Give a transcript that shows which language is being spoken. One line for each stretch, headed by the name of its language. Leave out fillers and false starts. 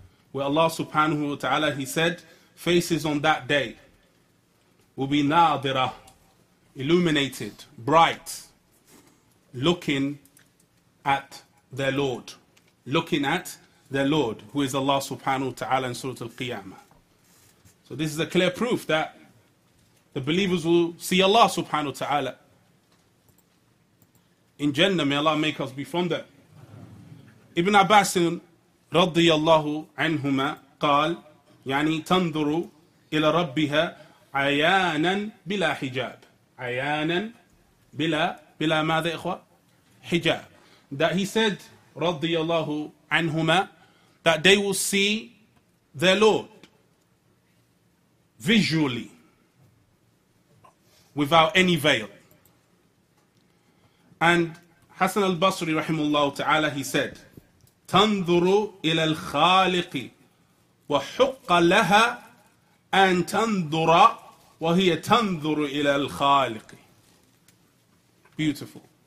English: Where Allah subhanahu wa ta'ala, he said, faces on that day will be nadira, illuminated, bright, looking at their Lord. Looking at their Lord, who is Allah subhanahu wa ta'ala in Surah Al-Qiyamah. So this is a clear proof that the believers will see Allah subhanahu wa ta'ala in Jannah. May Allah make us be from them.
Arabic: Ibn Abbas رضي الله عنهما قال يعني تنظر إلى ربها عيانا بلا حجاب عيانا بلا ماذا إخوة حجاب.
English: That he said
Arabic: رضي الله عنهما,
English: that they will see their Lord visually without any veil. And Hassan al-Basri rahimahullah ta'ala, he said,
Arabic: تَنْظُرُ إِلَى الْخَالِقِ وَحُقَّ لَهَا أَن تَنْظُرَ وَهِيَ تَنْظُرُ إِلَى الْخَالِقِ.
English: Beautiful.